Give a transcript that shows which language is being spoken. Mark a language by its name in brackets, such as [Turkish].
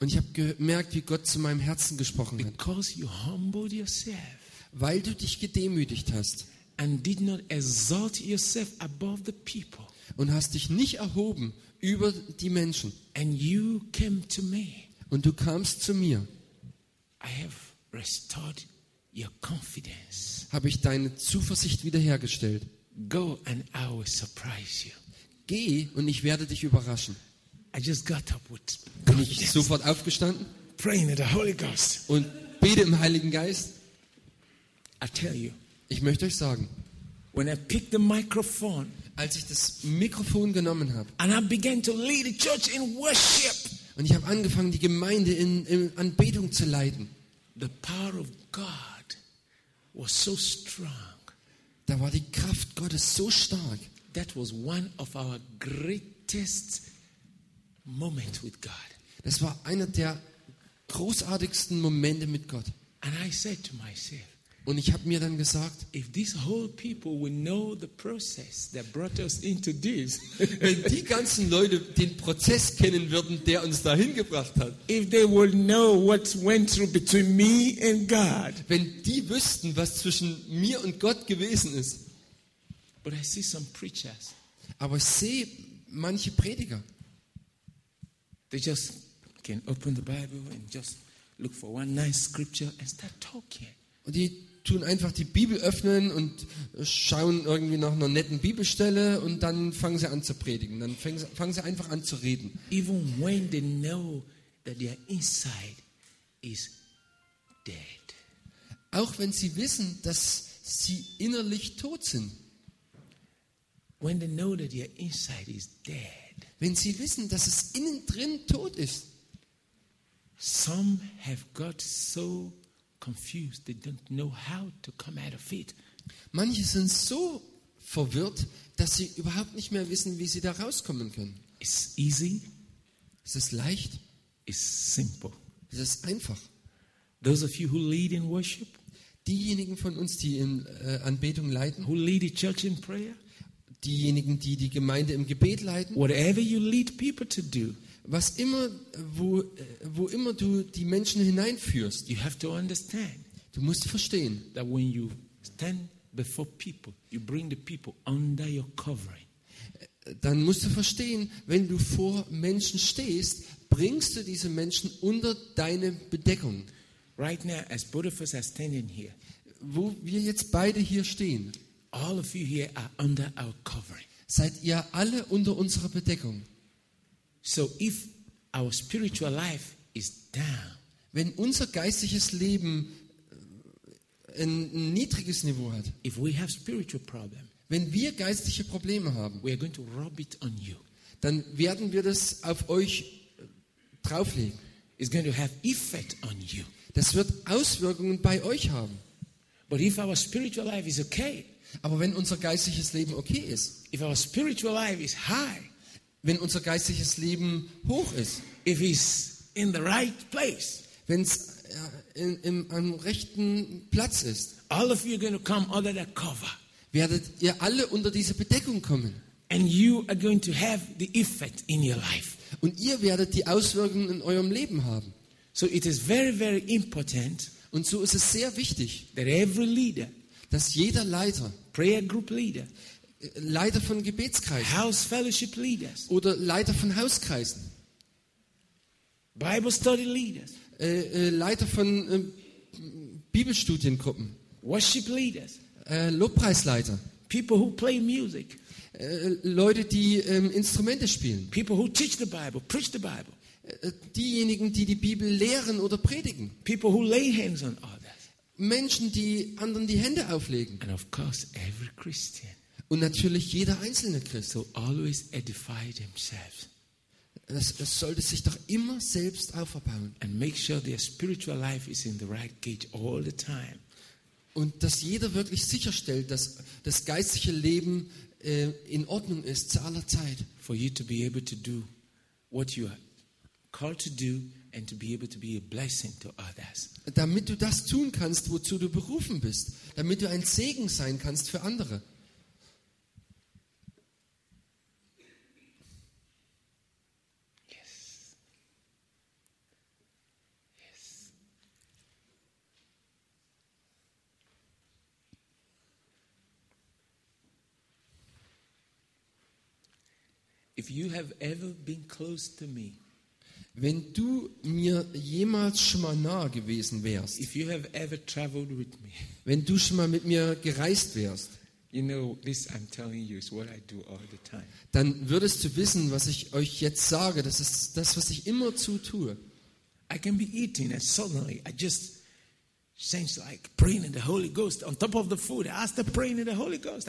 [German] Und ich habe gemerkt, wie Gott zu meinem Herzen gesprochen hat. [English] Because you humbled yourself. [German] Weil du dich gedemütigt hast. [English] And did not exalt yourself above the people. [German] Und hast dich nicht erhoben über die Menschen. [English] And you came to me. [German] Und du kamst zu mir. [English] I have restored your confidence. [German] Habe ich deine Zuversicht wiederhergestellt. [English] Go and I will surprise you. [German] Geh und ich werde dich überraschen. [English] I just got up with [German] confidence. Bin ich sofort aufgestanden. [English] Praying in the Holy Ghost. [German] Und bete im Heiligen Geist. [English] I tell you. [German] Ich möchte euch sagen. [English] When I picked the microphone. [German] Als ich das Mikrofon genommen habe. [English] And I began to lead the church in worship. [German] Und ich habe angefangen, die Gemeinde in Anbetung zu leiten. [English] The power of God was so strong. [German] Da war die Kraft Gottes so stark. [English] that was one of our greatest moments with God. [German] Das war einer der großartigsten Momente mit Gott. [English] And I said to myself, [German] und ich habe mir dann gesagt, [English] if these whole people would know the process that brought us into this, [German] wenn die ganzen Leute den Prozess kennen würden, der uns dahin gebracht hat, [English] if they would know what went through between me and God, [German] wenn die wüssten, was zwischen mir und Gott gewesen ist. [English] But I see some preachers, [German] aber ich sehe manche Prediger, [English] they just can open the Bible and just look for one nice scripture and start talking. [German] Und die tun einfach die Bibel öffnen und schauen irgendwie nach einer netten Bibelstelle und dann fangen sie an zu predigen. Dann fangen sie einfach an zu reden. [English] Even when they know that their inside is dead. [German] Auch wenn sie wissen, dass sie innerlich tot sind. [English] When they know that their inside is dead. [German] Wenn sie wissen, dass es innen drin tot ist. [English] Some have got so confused, they don't know how to come out of it. [German] Manche sind so verwirrt, dass sie überhaupt nicht mehr wissen, wie sie da rauskommen können. [English] It's easy. [German] Es ist leicht. [English] It's simple. [German] Es ist einfach. [English] Those of you who lead in worship, [German] diejenigen von uns, die in Anbetung leiten, [English] who lead the church in prayer, [German] diejenigen, die die Gemeinde im Gebet leiten, [English] whatever you lead people to do, [German] was immer, wo immer du die Menschen hineinführst, [English] you have to understand, [German] du musst verstehen, [English] that when you stand before people, you bring the people under your covering. [German] Dann musst du verstehen, wenn du vor Menschen stehst, bringst du diese Menschen unter deine Bedeckung. [English] Right now, as both of us are standing here, [German] wo wir jetzt beide hier stehen, [English] all of you here are under our covering. [German] Seid ihr alle unter unserer Bedeckung. [English] So if our spiritual life is down, [German] wenn unser geistliches Leben ein niedriges Niveau hat, [English] if we have spiritual problem, [German] wenn wir geistliche Probleme haben, [English] we are going to rub it on you, [German] dann werden wir das auf euch drauflegen. [English] It's going to have effect on you. [German] Das wird Auswirkungen bei euch haben. [English] But if our spiritual life is okay, [German] aber wenn unser geistliches Leben okay ist, [English] if our spiritual life is high, [German] wenn unser geistliches Leben hoch ist, [English] if it's in the right place, [German] wenn es am rechten Platz ist, [English] all of you are going to come under that cover, [German] werdet ihr alle unter diese Bedeckung kommen, [English] and you are going to have the effect in your life, [German] und ihr werdet die Auswirkungen in eurem Leben haben. [English] So it is very, very important, [German] und so ist es sehr wichtig, [English] that every leader, [German] dass jeder Leiter, [English] prayer group leader, [German] Leiter von Gebetskreisen, [English] House Fellowship Leaders, [German] oder Leiter von Hauskreisen, [English] Bible Study Leaders, [German] Leiter von Bibelstudiengruppen, [English] Worship Leaders, [German] Lobpreisleiter, [English] People who play music, [German] Leute, die Instrumente spielen, [English] People who teach the Bible, preach the Bible, [German] diejenigen, die die Bibel lehren oder predigen, [English] People who lay hands on others, [German] Menschen, die anderen die Hände auflegen, [English] and of course every Christian. [German] Und natürlich jeder einzelne Christ. [English] So always edify themselves. [German] Das sollte sich doch immer selbst aufbauen. [English] And make sure their spiritual life is in the right gate all the time. [German] Und dass jeder wirklich sicherstellt, dass das geistliche Leben in Ordnung ist zu aller Zeit. [English] For you to be able to do what you are called to do and to be able to be a blessing to others. [German] Damit du das tun kannst, wozu du berufen bist. Damit du ein Segen sein kannst für andere. [English] If you have ever been close to me, [German] wenn du mir jemals schon mal nah gewesen wärst, [English] if you have ever traveled with me, [German] wenn du schon mal mit mir gereist wärst, [English] you know this I'm telling you is what I do all the time. [German] Dann würdest du wissen, was ich euch jetzt sage. Das ist das, was ich immer zu tue. [English] I can be eating and suddenly I just sense like praying in the Holy Ghost on top of the food. I ask the praying in the Holy Ghost.